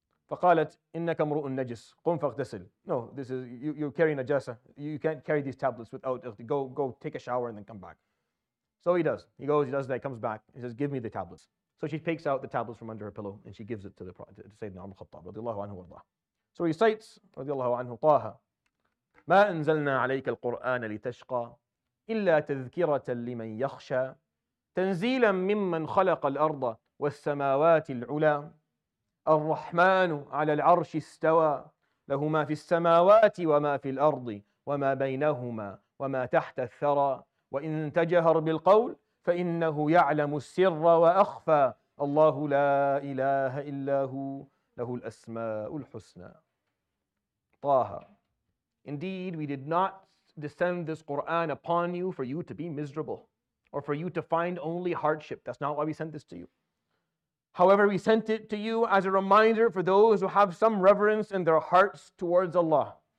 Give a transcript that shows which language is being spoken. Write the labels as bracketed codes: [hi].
[ar] فَقَالَتْ إِنَّكَ مُرُؤٌ نَجِسْ قُمْ فَاغْدَسِلْ. [en] No, this is, you're carrying najasa. You can't carry these tablets without, go take a shower and then come back. So he does. He goes, he does that, he comes back. He says, give me the tablets. So she takes out the tablets from under her pillow and she gives it to Sayyidina Umar al-Khattab radiallahu anhu wa'ala. So he recites, [ar] radiallahu anhu, طَاهَا مَا أَنزَلْنَا عَلَيْكَ الْقُرْآنَ لِتَشْقَى إِلَّا تَذْكِرَةً لِمَنْ يَخْشَى تَنْزِيلًا مِمَّنْ خَلَقَ الْأَرْضَ وَالسَّمَاوَاتِ الْعُلَى الرَّحْمَنُ عَلَى الْعَرْشِ اسْتَوَى لَهُ مَا فِي السَّمَاوَاتِ وَمَا فِي الْأَرْضِ وَمَا بَيْنَهُمَا وَمَا تَحْتَ الثَّرَى وَإِنْ تَجَهَرْ بِالْقَوْلِ فَإِنَّهُ يَعْلَمُ السِّرَّ وَأَخْفَى اللَّهُ لَا إِلَهَ إِلَّا هُوَ لَهُ الْأَسْمَاءُ الْحُسْنَى طَاهَا. [en] Indeed, we did not descend this Qur'an upon you for you to be miserable or for you to find only hardship. That's not why we sent this to you. However, we sent it to you as a reminder for those who have some reverence in their hearts towards Allah.